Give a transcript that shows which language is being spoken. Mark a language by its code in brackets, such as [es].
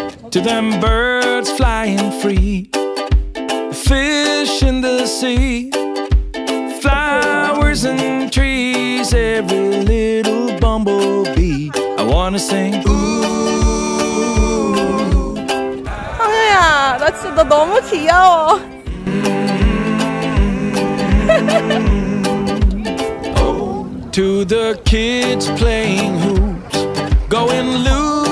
[en] To them birds flying free, fish in the sea, flowers and trees, every little bumblebee. I wanna sing. Ooh. [ko] 하루야, 나 진짜 너 너무 귀여워. [en] To the kids playing hoops, going loose.